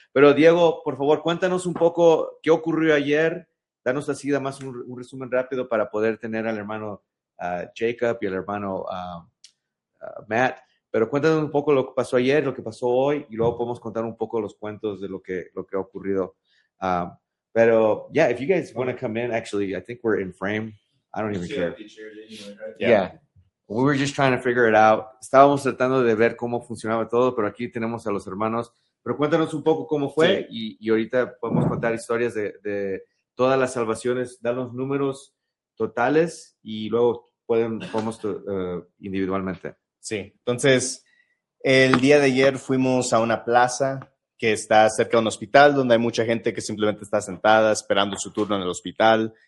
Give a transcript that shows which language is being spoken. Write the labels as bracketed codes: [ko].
[es] Pero Diego, por favor, cuéntanos un poco qué ocurrió ayer. Danos así además un resumen rápido para poder tener al hermano Jacob y al hermano Matt. Pero cuéntanos un poco lo que pasó ayer, lo que pasó hoy, y luego podemos contar un poco los cuentos de lo que ha ocurrido. [en] Pero, yeah, if you guys want to come in, actually, I think we're in frame. I don't even care. Yeah. We were just trying to figure it out. [es] Estábamos tratando de ver cómo funcionaba todo, pero aquí tenemos a los hermanos. Pero cuéntanos un poco cómo fue y ahorita podemos contar historias de todas las salvaciones. Dan los números totales y luego podemos individualmente. Sí, entonces el día de ayer fuimos a una plaza que está cerca de un hospital donde hay mucha gente que simplemente está sentada esperando su turno en el hospital.